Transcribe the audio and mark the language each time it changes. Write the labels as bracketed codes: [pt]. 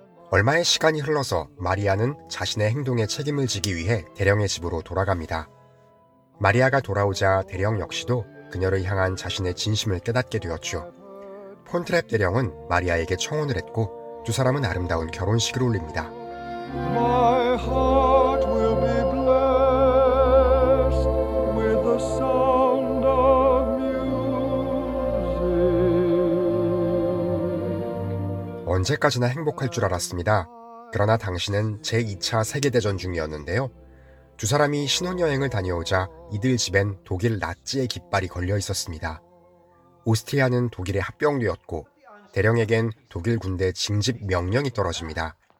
[ko] 얼마의 시간이 흘러서 마리아는 자신의 행동에 책임을 지기 위해 대령의 집으로 돌아갑니다. 마리아가 돌아오자 대령 역시도 그녀를 향한 자신의 진심을 깨닫게 되었죠. 폰트랩 대령은 마리아에게 청혼을 했고 두 사람은 아름다운 결혼식을 올립니다. [en] My heart will be blessed with the sound of music. [ko] 언제까지나 행복할 줄 알았습니다. 그러나 당신은 제2차 세계대전 중이었는데요. 두 사람이 신혼여행을 다녀오자 이들 집엔 독일 나치의 깃발이 걸려 있었습니다. 오스트리아는 독일에 합병되었고 대령에겐 독일 군대 징집 명령이 떨어집니다.